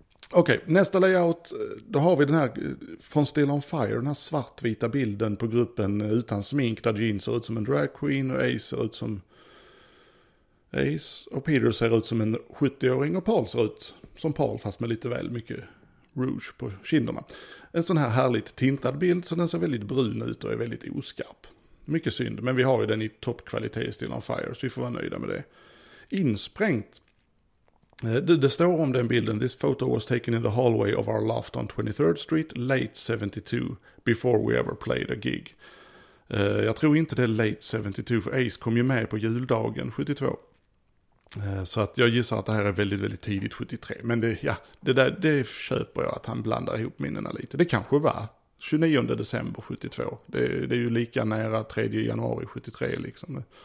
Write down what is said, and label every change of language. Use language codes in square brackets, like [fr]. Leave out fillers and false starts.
[sv] Okej, nästa layout, då har vi den här från Still on Fire, den här svartvita bilden på gruppen utan smink där Gene ser ut som en drag queen och Ace ser ut som Ace och Peter ser ut som en 70-åring och Paul ser ut som Paul fast med lite väl mycket rouge på kinderna. En sån här härligt tintad bild så den ser väldigt brun ut och är väldigt oskarp. Mycket synd, men vi har ju den i toppkvalitet i Still on Fire så vi får vara nöjda med det. Insprängt Det står om den bilden: [en] "This photo was taken in the hallway of our loft on 23rd Street, late 72, before we ever played a gig." [sv] Jag tror inte det är late 72, för Ace kom ju med på juldagen 72. Så att jag gissar att det här är väldigt, väldigt tidigt 73. Men det, ja, det där, det köper jag att han blandar ihop minnena lite. Det kanske var 29 december 72. Det är ju lika nära 3 januari 73 liksom.